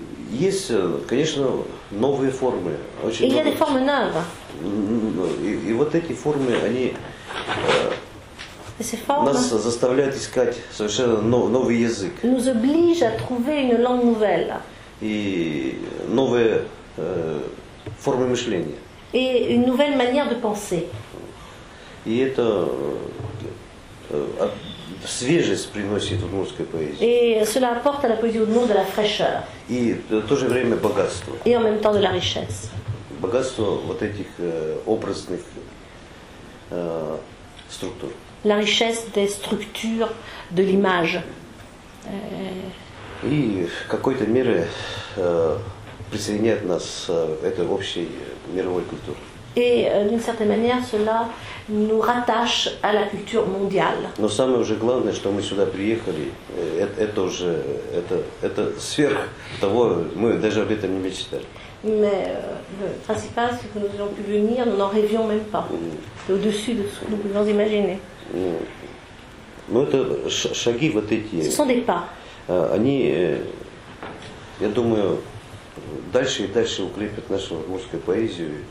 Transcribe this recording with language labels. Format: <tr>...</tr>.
<ru>Есть, конечно, новые формы. И вот эти формы, они нас заставляют искать совершенно новый язык.</ru> <fr>Nous oblige à trouver une langue nouvelle.</fr> <ru>И новые формы мышления.</ru> <fr>Et une nouvelle manière de penser.</fr> <ru>И это свежесть приносит в удмуртской поэзии.</ru> <fr>Et cela apporte à la poésie udmurte de la fraîcheur.</fr> <ru>И в то же время богатство.</ru> <fr>Et en même temps de la richesse.</fr> <ru>Богатство вот этих образных структур.</ru> <fr>La richesse des structures de l'image.</fr> <ru>И в какой-то мере присоединяет нас к этой общей мировой культуре.</ru> <fr>Et d'une certaine manière, cela nous rattache à la culture mondiale.</fr> <ru>Но самое уже главное, что мы сюда приехали, это сверх того, мы даже об этом не мечтали.</ru> <fr>Mais le principal, c'est que nous avons pu venir, nous n'en rêvions même pas. C'est au-dessus de ce que nous pouvions imaginer.</fr> <ru>Ну это шаги вот эти.</ru> <fr>Ce sont des pas.</fr> <ru>Они, я думаю, дальше и дальше укрепят нашу удмуртскую поэзию.</ru>